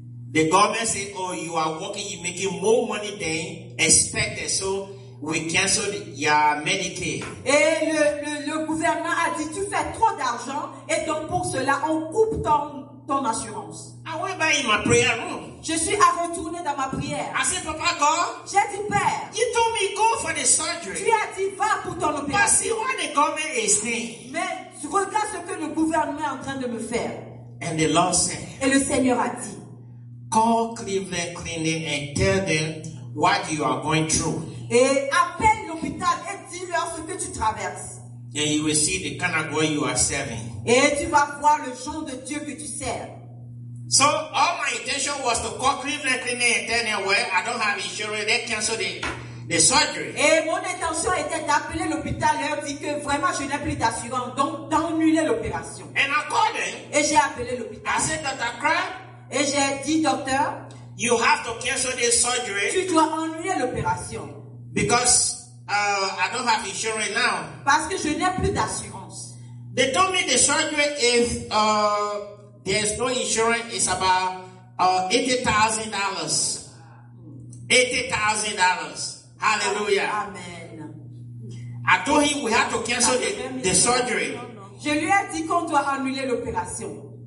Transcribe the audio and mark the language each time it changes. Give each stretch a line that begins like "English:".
English: The government said, "Oh, you are working, you're making more money than expected, so we canceled your Medicare."
French: Et le gouvernement a dit, "Tu fais trop d'argent, et donc pour cela, on coupe ton assurance."
English: I went back in my prayer room.
French: Je suis à retourner dans ma prière.
English: I said, "Papa, God."
French: J'ai dit, père.
English: You told me go for the surgery.
French: Tu as dit va pour ton opération.
English: But see what the government is saying.
French: Mais regarde ce que le gouvernement est en train de me faire.
English: And the Lord said.
French: Et le Seigneur a dit.
English: Call Cleveland Clinic and tell them what you are going through.
French: Et appelle l'hôpital et dis-leur ce que tu traverses.
English: And you will see the kind of God you are serving.
French: Et tu vas voir le genre de Dieu que tu sers.
English: So all my intention was to call Cleveland Clinic and tell them, "Well, I don't have insurance. They canceled the surgery."
French: Et mon intention était d'appeler l'hôpital et leur dire que vraiment je n'ai plus d'assurance, donc d'annuler l'opération.
English: And I called them.
French: Et j'ai appelé l'hôpital.
English: I said, "Dr. Crab."
French: Et j'ai dit, "Docteur."
English: "You have to cancel this surgery."
French: Tu dois annuler l'opération.
English: Because I don't have insurance now.
French: Parce que je n'ai plus d'assurance.
English: They told me the surgery is there's no insurance. It's about $80,000. $80,000. Hallelujah. Amen. I told him we have to cancel the surgery.
French: Je lui ai dit qu'on doit annuler l'opération.